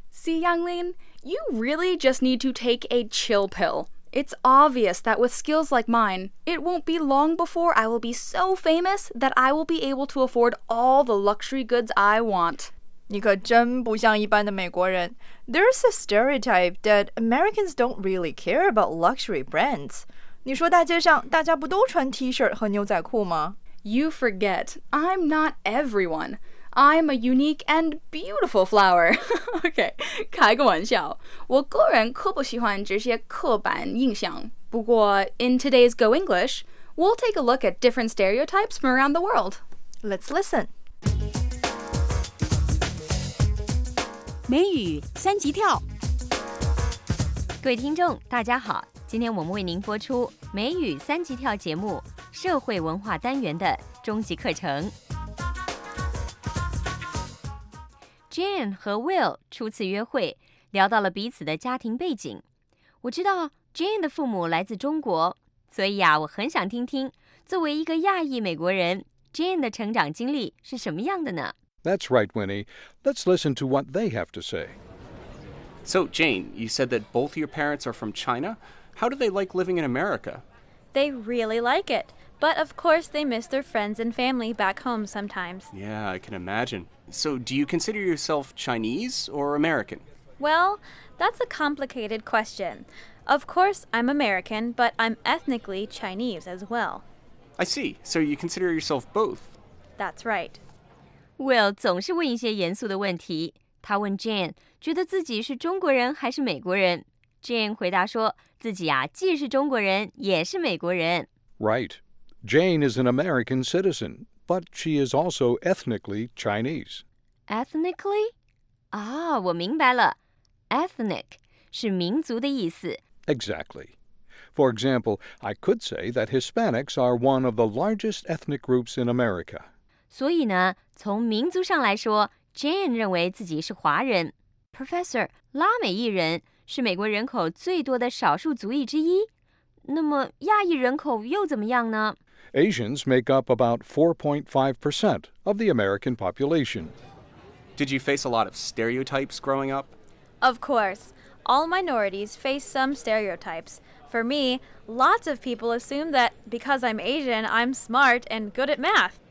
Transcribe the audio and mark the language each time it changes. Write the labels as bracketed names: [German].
[English] See, Yanglin, you really just need to take a chill pill. It's obvious that with skills like mine, it won't be long before I will be so famous that I will be able to afford all the luxury goods I want. [Chinese] 你可真不像一般的美国人。 [English] There's a stereotype that Americans don't really care about luxury brands. [Chinese] 你说大街上大家不都穿 T-shirt 和牛仔裤吗？ [English] You forget, I'm not everyone. I'm a unique and beautiful flower. [Chinese] OK, 开个玩笑。我个人可不喜欢这些刻板印象。不过 [English] in today's Go English, we'll take a look at different stereotypes from around the world. Let's listen. [Chinese] 美语三级跳，各位听众大家好，今天我们为您播出美语三级跳节目社会文化单元的终极课程。 Jane 和 Will 初次约会，聊到了彼此的家庭背景。我知道 Jane 的父母来自中国，所以啊，我很想听听作为一个亚裔美国人 Jane 的成长经历是什么样的呢？ [English] That's right, Winnie. Let's listen to what they have to say. So, Jane, you said that both your parents are from China. How do they like living in America? They really like it. But, of course, they miss their friends and family back home sometimes. Yeah, I can imagine. So, do you consider yourself Chinese or American? Well, that's a complicated question. Of course, I'm American, but I'm ethnically Chinese as well. I see. So you consider yourself both? That's right. [Chinese] Will 总是问一些严肃的问题，他问 Jane 觉得自己是中国人还是美国人。 Jane 回答说自己啊，既是中国人也是美国人。 [English] Right. Jane is an American citizen, but she is also ethnically Chinese. [Chinese] Ethnically? 啊，我明白了。 Ethnic 是民族的意思。 [English] Exactly. For example, I could say that Hispanics are one of the largest ethnic groups in America. [Chinese] 所以呢，从民族上来说 ，Jane 认为自己是华人。 Professor， 拉美裔人是美国人口最多的少数族裔之一。那么亚裔人口又怎么样呢 [English] ？Asians make up about 4.5% of the American population. Did you face a lot of stereotypes growing up? Of course, all minorities face some stereotypes. For me, lots of people assume that because I'm Asian, I'm smart and good at math.